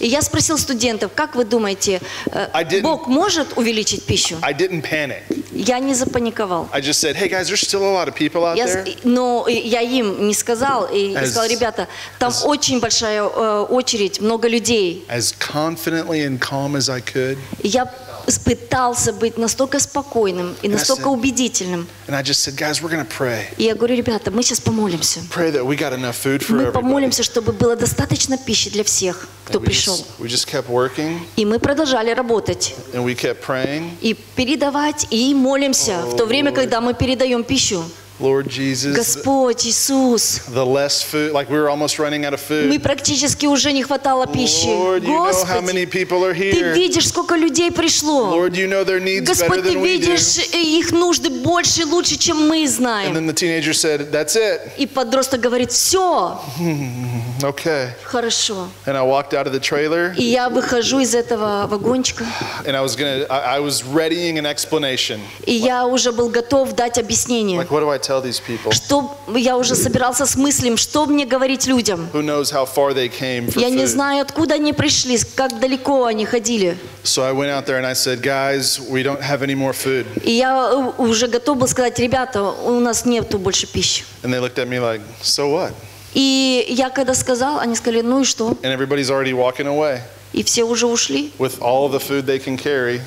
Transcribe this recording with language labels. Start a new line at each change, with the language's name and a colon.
Russian: И я спросил студентов, как вы думаете, Бог может увеличить пищу?
English: I didn't panic.
Russian: Я не запаниковал.
English: I just said, hey guys, there's still a lot of people out there.
Russian: Но я им не сказал, и сказал, ребята, там очень большая очередь, много людей.
English: As confidently and calm as I could.
Russian: Я пытался быть настолько спокойным и настолько убедительным.
English: I said, guys, we're gonna pray.
Russian: И я говорю, ребята, мы сейчас помолимся.
English: Pray that we got enough food for everybody.
Russian: Мы помолимся, чтобы было достаточно пищи для всех, кто пришел.
English: We just kept working.
Russian: И мы продолжали работать.
English: And we kept praying.
Russian: И передавать, и молимся в то время, когда мы передаем пищу.
English: Lord Jesus,
Russian: Господь Иисус,
English: the less food, like we were almost running out of food.
Russian: Мы практически уже не хватало пищи.
English: Lord, you
Russian: Господь,
English: know how many people are here.
Russian: Ты видишь, сколько людей пришло.
English: Lord, you know their needs
Russian: Господь,
English: better than
Russian: ты видишь их нужды больше и лучше, чем мы знаем.
English: And then the teenager said, "That's it."
Russian: И подросток говорит, все.
English: Okay.
Russian: Хорошо.
English: And I walked out of the trailer.
Russian: И я выхожу из этого вагончика.
English: And I was readying an explanation.
Russian: И я уже был готов дать объяснение.
English: Like, what do I tell these people?
Russian: Что я уже собирался с мыслями, что мне говорить людям?
English: Who knows how far they came for food?
Russian: Я не знаю, откуда они пришли, как далеко они ходили.
English: So I went out there and I said, guys, we don't have any more food.
Russian: И я уже готов был сказать, ребята, у нас нету больше пищи.
English: And they looked at me like, so what?
Russian: И я когда сказал, они сказали, ну и что?
English: And everybody's already walking away.
Russian: И все уже ушли.
English: With all the food they can carry.